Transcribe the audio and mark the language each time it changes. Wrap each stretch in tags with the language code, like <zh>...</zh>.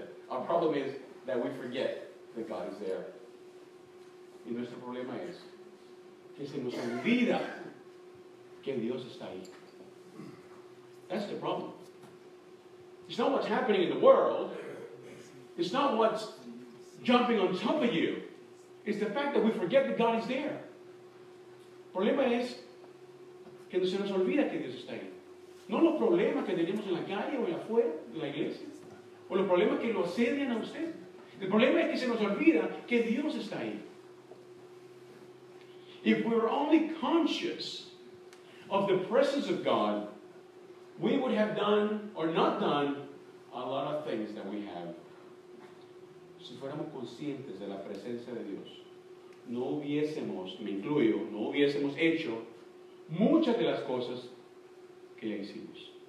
<en>Our problem is that we forget that God is there.</en> <es>Y nuestro problema es que se nos olvida que Dios está ahí.</es> <en>That's the problem. It's not what's happening in the world. It's not what's jumping on top of you. It's the fact that we forget that God is there.</en> <es>Problema es que se nos olvida que Dios está ahí. No los problemas que tenemos en la calle o en afuera de la iglesia. O los problemas que lo asedian a usted. El problema es que se nos olvida que Dios está ahí.</es> <en>If we were only conscious of the presence of God, we would have done or not done a lot of things that we have.</en> <es>Si fuéramos conscientes de la presencia de Dios, no hubiésemos, me incluyo, no hubiésemos hecho muchas de las cosas que ya hicimos.</es>